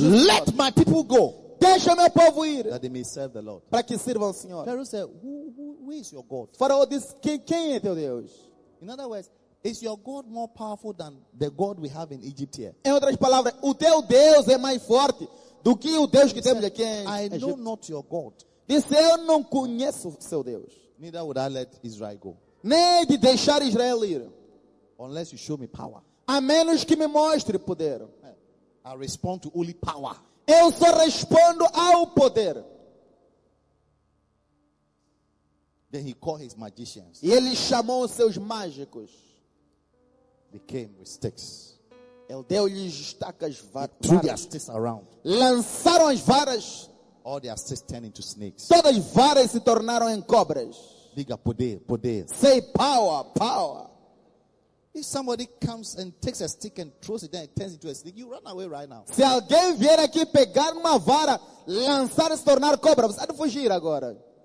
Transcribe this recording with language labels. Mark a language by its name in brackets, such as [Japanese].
[Portuguese] o Senhor, [English] let my people go, [Portuguese] deixa meu povo ir, [English] that they may serve the Lord, [Portuguese] para que sirva ao Senhor." [English] Pharaoh said, who is your God? [Portuguese] Faraó diz, quem é teu Deus? [English] In other words, is your God more powerful than the God we have in Egypt here? [Portuguese] Em outras palavras, o teu Deus é mais forte do que o Deus que temos aqui em [English] Egipto? I know not your God. [Portuguese] Diz, eu não conheço seu Deus. [English] Neither would I let Israel go. [Portuguese] Nem de deixar Israel ir. [English] Unless you show me power. [Portuguese] A menos que me mostre poder. [English] I respond to only power. [Portuguese] Eu só respondo ao poder. [English] Then he called his magicians. [Portuguese] E ele chamou os seus mágicos. [English] They came with sticks. [Portuguese] Ele deu-lhes estacas varas. [English] Threw their sticks around. [Portuguese] Lançaram as varas. [English] All their sticks turned into snakes. [Portuguese] Todas as varas se tornaram em cobras. Diga poder, poder. [English] Say power, power. If somebody comes and takes a stick and throws it, then it turns into a snake. You run away right now. [Portuguese] Se alguém vier aqui pegar uma vara, lançar e se tornar cobra, você vai fugir agora.